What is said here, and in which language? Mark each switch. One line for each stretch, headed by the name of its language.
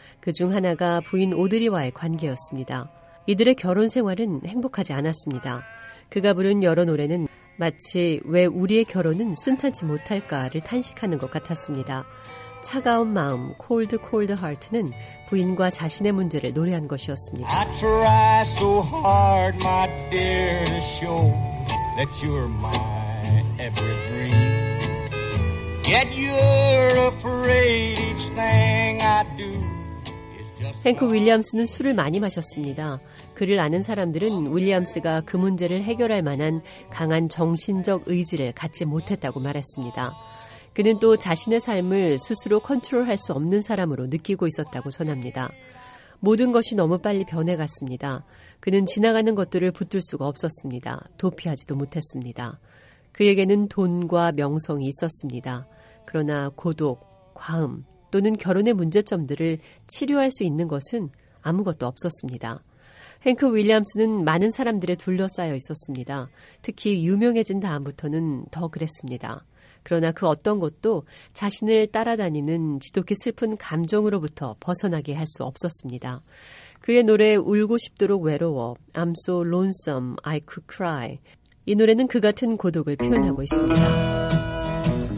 Korean: 그중 하나가 부인 오드리와의 관계였습니다. 이들의 결혼 생활은 행복하지 않았습니다. 그가 부른 여러 노래는 마치 왜 우리의 결혼은 순탄치 못할까를 탄식하는 것 같았습니다. 차가운 마음, cold, cold heart는 부인과 자신의 문제를 노래한 것이었습니다.
English: I try so hard, my dear, to show that you're my every dream. Yet you're afraid each thing I do.
Korean: 헨크 윌리엄스는 술을 많이 마셨습니다. 그를 아는 사람들은 윌리엄스가 그 문제를 해결할 만한 강한 정신적 의지를 갖지 못했다고 말했습니다. 그는 또 자신의 삶을 스스로 컨트롤할 수 없는 사람으로 느끼고 있었다고 전합니다. 모든 것이 너무 빨리 변해갔습니다. 그는 지나가는 것들을 붙들 수가 없었습니다. 도피하지도 못했습니다. 그에게는 돈과 명성이 있었습니다. 그러나 고독, 과음, 또는 결혼의 문제점들을 치료할 수 있는 것은 아무것도 없었습니다. 헨크 윌리엄스는 많은 사람들에 둘러싸여 있었습니다. 특히 유명해진 다음부터는 더 그랬습니다. 그러나 그 어떤 것도 자신을 따라다니는 지독히 슬픈 감정으로부터 벗어나게 할 수 없었습니다. 그의 노래 울고 싶도록 외로워, I'm so lonesome I could cry. 이 노래는 그 같은 고독을 표현하고 있습니다.